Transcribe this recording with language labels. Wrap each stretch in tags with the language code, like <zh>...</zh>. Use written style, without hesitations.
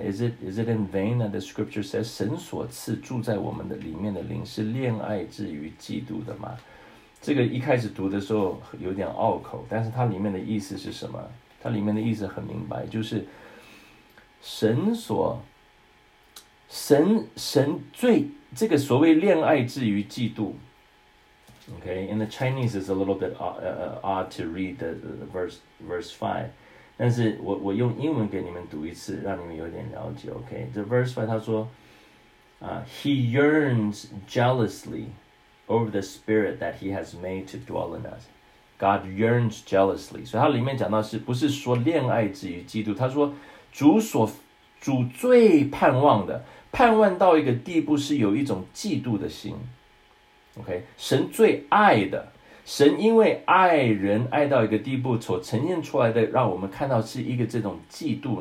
<en>Is it in vain that the scripture says</en> <zh>神所赐住在我们的里面的灵是恋爱至于嫉妒的吗？这个一开始读的时候有点拗口，但是它里面的意思是什么？它里面的意思很明白，就是神最这个所谓恋爱至于嫉妒，</zh> <en>Okay, in the Chinese, it's a little bit odd to read the verse 5.</en> <zh>但是我用英文给你们读一次，让你们有点了解。</zh> <en>Okay, the verse 5,</en> <zh>他说,</zh> <en>He yearns jealously over the spirit that he has made to dwell in us. God yearns jealously.</en> <zh>所以他里面讲到是不是说恋爱之于基督，他说主最盼望的，盼望到一个地步是有一种嫉妒的心。 Okay, 神最爱的，神因为爱人爱到一个地步所呈现出来的，让我们看到是一个这种嫉妒。</zh>